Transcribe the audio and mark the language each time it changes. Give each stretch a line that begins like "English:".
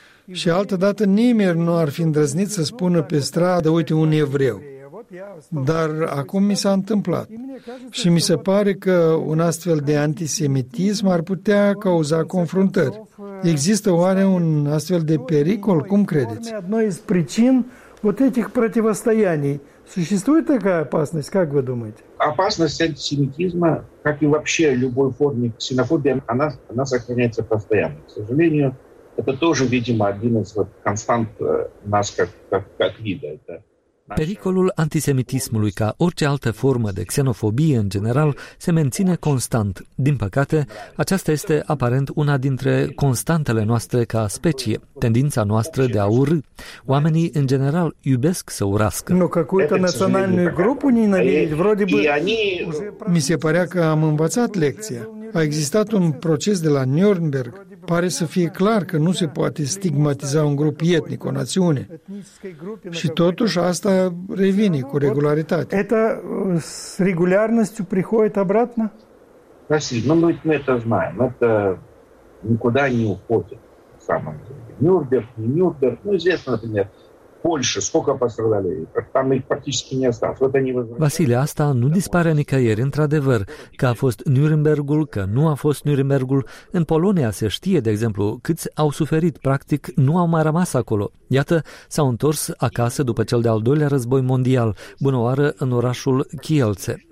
Romanian: Și altădată nimeni nu ar fi îndrăznit să spună pe stradă, uite, un evreu. Dar acum mi s-a întâmplat și mi se pare că un astfel de antisemitism ar putea cauza confruntări. Există oare un astfel de pericol? Cum credeți? Una din
Russian: причин вот этих противостояний существует такая опасность, как вы думаете? Опасность антисемитизма, как и вообще любой формы ксенофобии, она сохраняется постоянно. К сожалению, это тоже, видимо, один из констант нас как вида.
Romanian: Pericolul antisemitismului, ca orice altă formă de xenofobie în general, se menține constant. Din păcate, aceasta este aparent una dintre constantele noastre ca specie, tendința noastră de a urî. Oamenii, în general, iubesc să urască.
Russian: Nu, какую-то национальную группу ненавидеть, вроде бы...
Romanian: Mi se părea că am învățat lecția. A existat un proces de la Nürnberg. Pare să fie clar că nu se poate stigmatiza un grup etnic, o națiune. Și totuși asta revine cu regularitate.
Russian: Это с регулярностью приходит обратно? Спасибо. Ну, мы это знаем. Это никуда не уходит. В самом деле. Нюрнберг, не Нюрнберг. Ну, известно, например, Польша. Сколько пострадали? Там их практически не осталось. Вот они возвращаются.
Romanian: Василий, asta nu dispare nicăieri, într-adevăr. Că a fost Nürnbergul, că nu a fost Nürnbergul. În Polonia se știe, de exemplu, câți au suferit. Practic, nu au mai rămas acolo. Iată, s-au întors acasă după cel de-al doilea război mondial, bunăoară în orașul Kielce.